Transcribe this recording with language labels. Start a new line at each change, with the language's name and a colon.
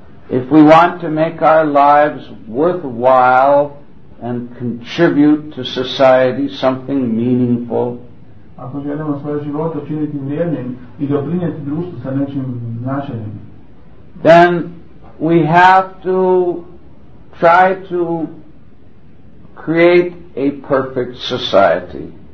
English: if we want to make our lives worthwhile and contribute to society something meaningful,
Croatian: ako želimo svoje živote činiti vrijednim i doprinijeti društvu sa nečim značajnim,
English: then we have to try to create a perfect society.